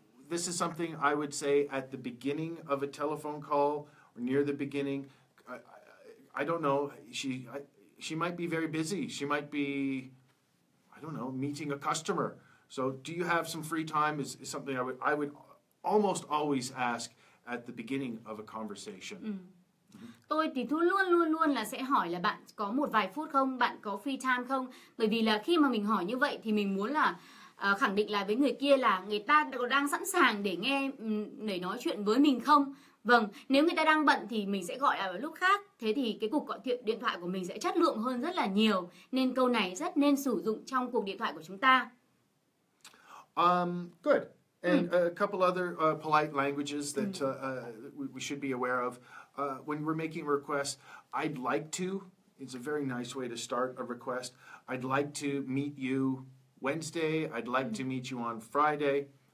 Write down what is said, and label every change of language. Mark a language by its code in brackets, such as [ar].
[en] This is something I would say at the beginning of a telephone call or near the beginning. I don't know. She might be very busy. She might be, I don't know, meeting a customer. So, do you have some free time is something I would almost always ask at the beginning of a conversation. [vi] Tôi thì luôn luôn là sẽ hỏi là bạn có một vài phút không, bạn có free time không? Bởi vì là khi mà mình hỏi như vậy thì mình muốn là khẳng định lại với người kia là người ta đang sẵn sàng để nghe, để nói chuyện với mình không? Vâng, nếu người ta đang bận thì mình sẽ gọi vào lúc khác. Thế thì cái cuộc gọi điện thoại của mình sẽ chất lượng hơn rất là nhiều. Nên câu này rất nên sử dụng trong cuộc điện thoại của chúng ta. [en] Good. And a couple other polite languages that we should be aware of. When we're making requests, I'd like to, it's a very nice way to start a request. I'd like to meet you Wednesday. I'd like to meet you on Friday.